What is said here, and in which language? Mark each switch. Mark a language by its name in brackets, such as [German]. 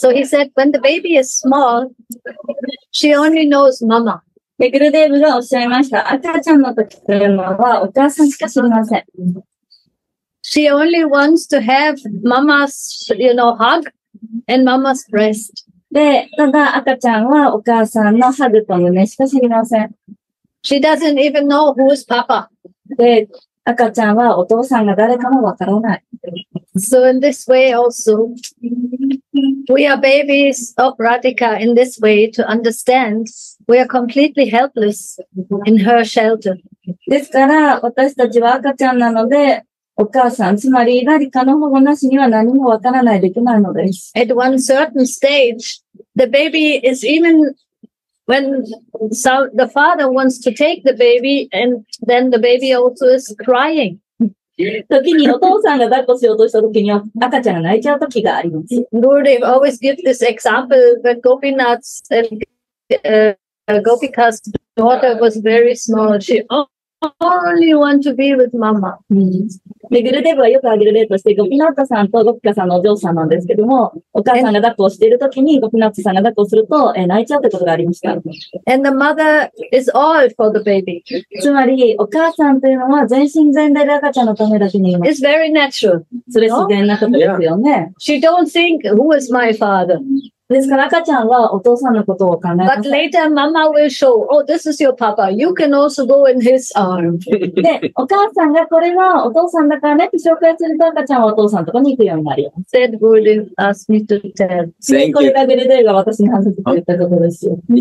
[English] So he said, when the baby is small, she only knows mama. [Japanese] Gurudev がおっしゃいました。赤ちゃんの時というのはお母さんしか知りません。 [English] She only wants to have mama's, you know, hug and mama's breast. [Japanese] で、ただ赤ちゃんはお母さんのハグと胸しか知りません。 [English] She doesn't even know who's papa. [Japanese] で、赤ちゃんはお父さんが誰かもわからない。 [English] So in this way also, we are babies of Radhika in this way to understand we are completely helpless in her shelter. [Japanese] ですから、私たちは赤ちゃんなので、お母さん、つまり、ラリカの保護なしには何もわからない、できないのです。 [English] At one certain stage, the baby is even when the father wants to take the baby and then the baby also is crying. [Japanese] 時にお父さんが抱っこしようとした時には赤ちゃんが泣いちゃう時があります。 [English] Gurudev always gives this example that Gopinath's and Gopika's daughter was very small. She only want to be with mama. [Japanese] で、グルデブはよく挙げる例として、ゴピナッツさんとゴピカさんのお嬢さんなんですけども、お母さんが抱っこしているときに、ゴピナッツさんが抱っこすると、泣いちゃうってことがありました。 [English] And the mother is all for the baby. [Japanese] つまり、お母さんというのは全身全霊で赤ちゃんのためだけにいます。 [English] It's very natural. [Japanese] それ自然なことですよね。 [English] Yeah. She don't think, who is my father? [Japanese] ですから赤ちゃんはお父さんのことを考えます。 [English] But later, mama will show, oh, this is your papa. You can also go in his arm. [Japanese] で、お母さんがこれはお父さんだからねって紹介すると赤ちゃんはお父さんのところに行くようになるよ。 [English] Said Gurudev asked me to tell. [Japanese] これがグルデーが私に話してくれたことですよ。